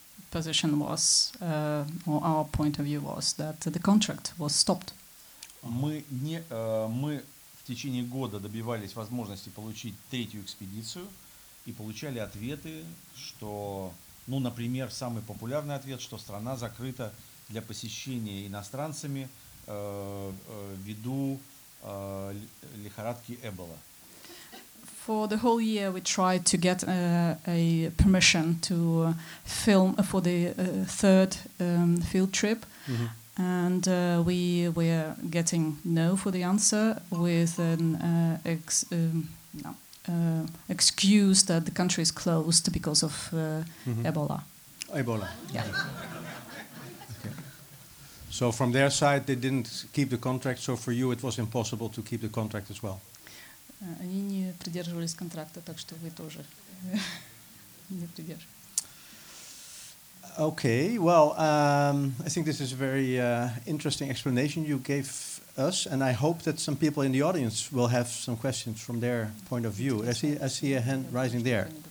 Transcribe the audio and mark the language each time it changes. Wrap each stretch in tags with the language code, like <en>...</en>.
<en>Position was, or our point of view was, that the contract was stopped.</en> <ru>Мы в течение года добивались возможности получить третью экспедицию и получали ответы, что, ну, например, самый популярный ответ, что страна закрыта для посещения иностранцами ввиду лихорадки Эбола.</ru> <en>For the whole year, we tried to get a permission to film for the third field trip, mm-hmm. and we were getting no for the answer with an excuse that the country is closed because of mm-hmm. Ebola. Ebola. Yeah. Okay. So from their side, they didn't keep the contract. So for you, it was impossible to keep the contract as well.</en> <ru>Они не придерживались контракта, так что вы тоже не придерживались.</ru> <en>Okay, well, I think this is a very interesting explanation you gave us, and I hope that some people in the audience will have some questions from their point of view. I see a hand rising there.</en>